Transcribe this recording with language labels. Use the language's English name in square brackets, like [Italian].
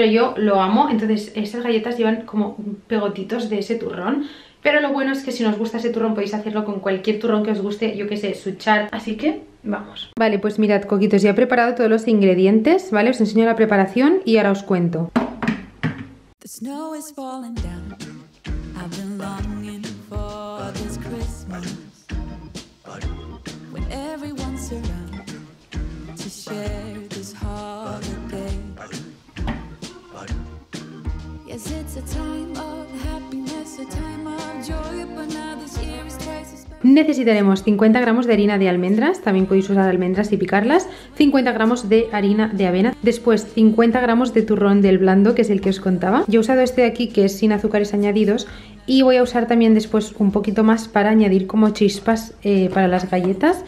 [Spanish] Pero yo lo amo, entonces esas galletas llevan como pegotitos de ese turrón. Pero lo bueno es que si no os gusta ese turrón podéis hacerlo con cualquier turrón que os guste, yo que sé, su char. Así que vamos. Vale, pues mirad, coquitos, ya he preparado todos los ingredientes, ¿vale? Os enseño la preparación y ahora os cuento. [English] Snow is falling down. I've been longing for this Christmas when everyone's around to share this holiday. Yes, it's a time of happiness, a time of joy, but now this year is crazy. [Spanish] Necesitaremos 50 gramos de harina de almendras, también podéis usar almendras y picarlas, 50 gramos de harina de avena, después 50 gramos de turrón del blando, que es el que os contaba. Yo he usado este de aquí, que es sin azúcares añadidos, y voy a usar también después un poquito más para añadir como chispas para las galletas.